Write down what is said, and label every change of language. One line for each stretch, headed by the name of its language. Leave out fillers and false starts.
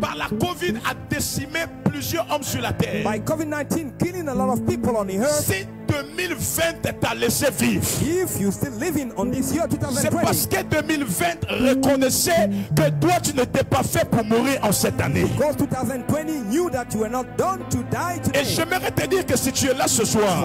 French: Par la COVID a décimé plusieurs hommes sur la terre.
English: By COVID-19 killing a lot of people on the earth.
French: Si 2020 est à laisser vivre.
English: If you still living on this year 2020.
French: C'est parce que 2020 reconnaissait que toi tu n'étais pas fait pour mourir en cette année.
English: Because 2020 knew that you were not done to die today.
French: Et j'aimerais te dire que si tu es là ce soir,